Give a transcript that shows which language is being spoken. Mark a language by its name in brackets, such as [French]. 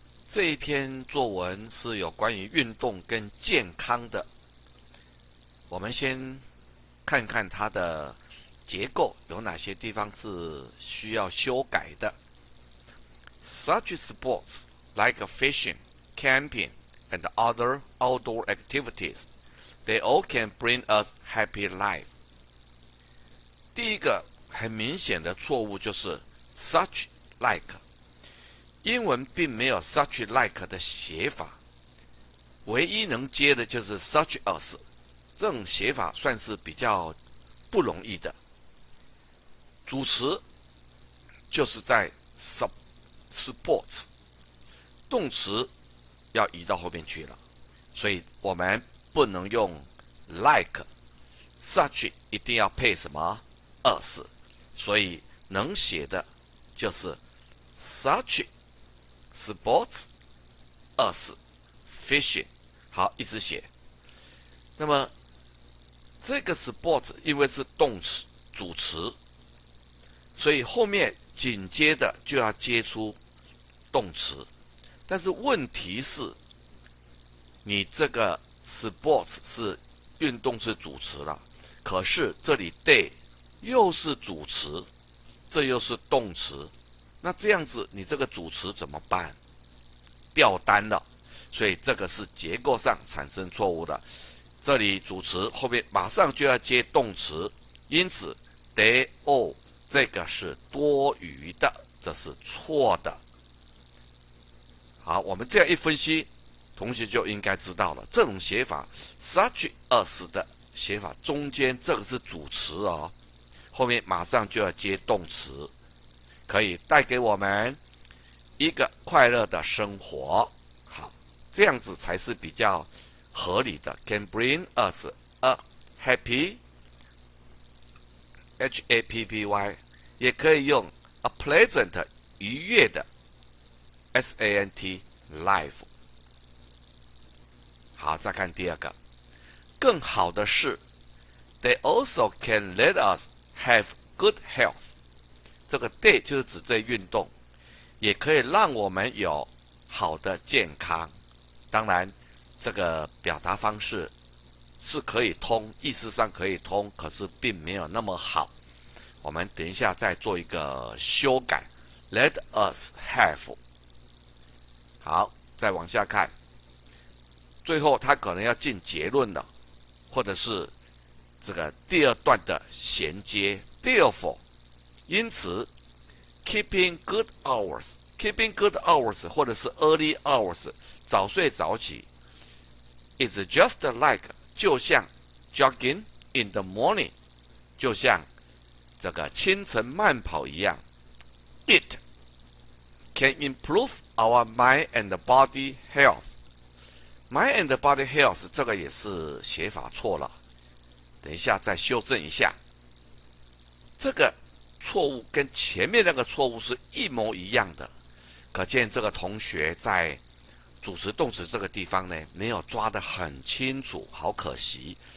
[Chinese] 这一篇作文是有关于运动跟健康的。我们先看看它的结构有哪些地方是需要修改的。 [English] Such sports like fishing, camping, and other outdoor activities, they all can bring us happy life. [Chinese] 第一个很明显的错误就是 [English] such like。 [Chinese] 英文并没有 [English] such like [Chinese] 的写法，唯一能接的就是 [English] such as， [Chinese] 这种写法算是比较不容易的。主词就是在 sports，动词要移到后面去了，所以我们不能用 like，such 一定要配什么 as，所以能写的就是 such。 [English] Sports, us, fishing， [Chinese] 好，一直写。那么，这个 sport 因为是动词主词，所以后面紧接着就要接出动词。但是问题是，你这个 sports 是运动是主词了，可是这里 day 又是主词，这又是动词，那这样子你这个主词怎么办？掉单了，所以这个是结构上产生错误的。这里主词后面马上就要接动词，因此 they all 这个是多余的，这是错的。好，我们这样一分析，同学就应该知道了，这种写法 [English] such as [Chinese] 的写法中间这个是主词哦，后面马上就要接动词，可以带给我们一个快乐的生活，好，这样子才是比较合理的。 [English] Can bring us a happy，happy， [Chinese] 也可以用 [English] a pleasant [Chinese] 愉悦的， [English] sant life。 [Chinese] 好，再看第二个，更好的是， [English] they also can let us have good health。 [Chinese] 这个 day 就是指这运动。也可以让我们有好的健康，当然，这个表达方式是可以通，意思上可以通，可是并没有那么好。我们等一下再做一个修改， [English] Let us have。 [Chinese] 好，再往下看，最后他可能要进结论了，或者是这个第二段的衔接，Therefore，因此， [English] keeping good hours。 Keeping good hours [Chinese] 或者是 [English] early hours [Chinese] 早睡早起， [English] is just like [Chinese] 就像 [English] jogging in the morning [Chinese] 就像这个清晨慢跑一样。 [English] It can improve our mind and body health. Mind and body health [Chinese] 这个也是写法错了，等一下再修正一下。这个错误跟前面那个错误是一模一样的。可见这个同学在主词动词这个地方呢，没有抓得很清楚，好可惜。